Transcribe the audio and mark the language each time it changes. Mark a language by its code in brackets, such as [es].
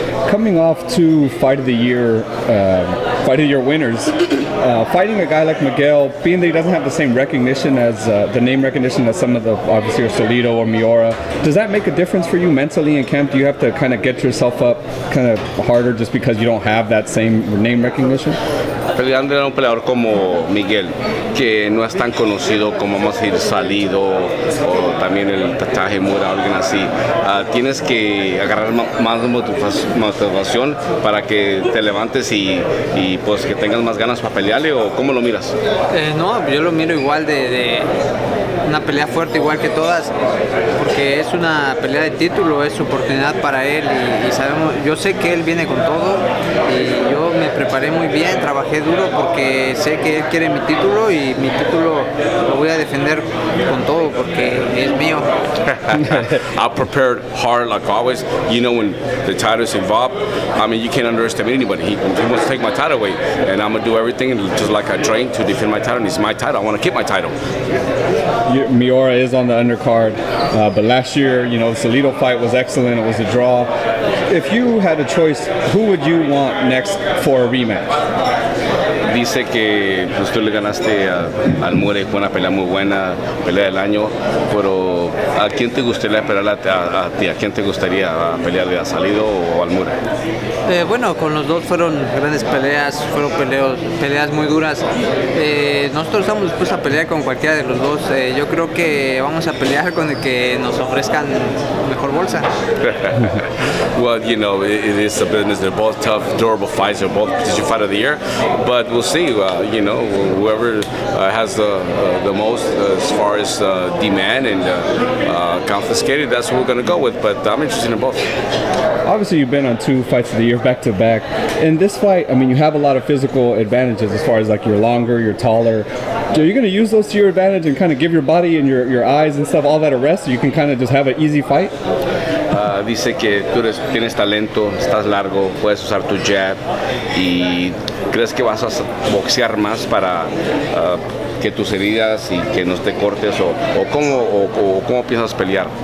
[en] Coming off to fight of the year winners, fighting a guy like Miguel, being that he doesn't have the same recognition as the name recognition as some of the, obviously, or Solito or Miura, does that make a difference for you mentally in camp? Do you have to kind of get yourself up kind of harder just because you don't have that same name recognition? [es] Peleando a un peleador como Miguel, que no es tan conocido como, vamos a decir, Salido o también el Tataje Mura, alguien así, tienes que agarrar más motivación para que te levantes y pues que tengas más ganas para pelearle, ¿o cómo lo miras? No, yo lo miro igual de una pelea fuerte, igual que todas, porque es una pelea de título, es oportunidad para él y sabemos, yo sé que él viene con todo y yo me preparé muy bien, trabajé duro porque sé que él quiere mi título y mi título lo voy a defender con todo porque es mío. [en] I prepared hard like always. You know, when the title is involved, I mean, you can't underestimate anybody. He wants to take my title away, and I'm gonna do everything just like I trained to defend my title. And it's my title. I want to keep my title. Miura is on the undercard, but last year, you know, the Salido fight was excellent. It was a draw. If you had a choice, who would you want next for a rematch? [es] Dice que pues, tú le ganaste al Mure, fue una pelea muy buena, pelea del año, pero ¿a quién te gustaría pelear a ti? ¿A quién te gustaría pelear, a Salido o al Mure? Con los dos fueron grandes peleas, fueron peleas muy duras. Nosotros estamos dispuestos a pelear con cualquiera de los dos. Yo creo que vamos a pelear con el que nos ofrezcan mejor bolsa. [en] Well, you know, it is a business. They're both tough, durable fights. They're both potential fight of the year. But we'll see. You know, whoever has the most as far as demand and confiscated, that's what we're going to go with. But I'm interested in both. Obviously, you've been on two fights of the year back to back. In this fight, I mean, you have a lot of physical advantages as far as like you're longer, you're taller. Are you going to use those to your advantage and kind of give your body and your eyes and stuff all that a rest so you can kind of just have an easy fight? [es] Dice que tú tienes talento, estás largo, puedes usar tu jab y crees que vas a boxear más para que tus heridas y que no te cortes o cómo piensas pelear.